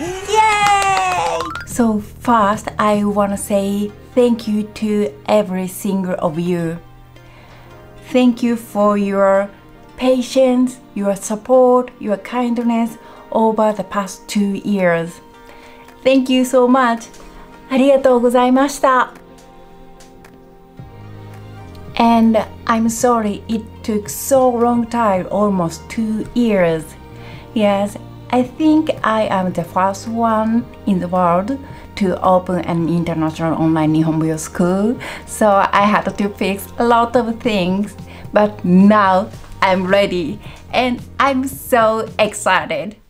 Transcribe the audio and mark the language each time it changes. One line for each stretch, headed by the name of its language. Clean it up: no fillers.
English: Yay! So first, I wanna say thank you to every single of you. Thank you for your patience, your support, your kindness over the past 2 years. Thank you so much!
Japanese: ありがとうございました。
English: And I'm sorry it took so long time, almost 2 years. Yes, I think I am the first one in the world to open an international online NIhon-buyo school. So I had to fix a lot of things, but now I'm ready and I'm so excited.